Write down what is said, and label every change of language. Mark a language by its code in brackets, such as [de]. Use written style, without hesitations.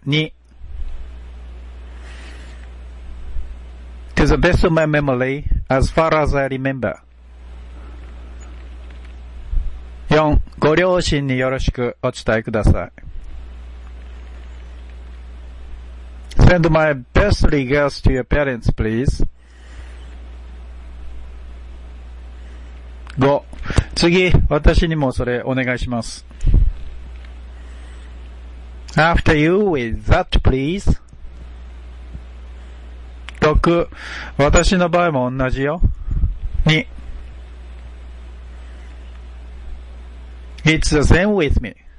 [en] 2、It's the best of my memory, as far as I remember. 4. [ja] ご両親によろしくお伝えください。 [en] Send my best regards to your parents, please. 5. [ja] 次、私にもそれお願いします。 [en] After you with that, please. [ja] 6、私の場合も同じよ。2、 [en] It's the same with me.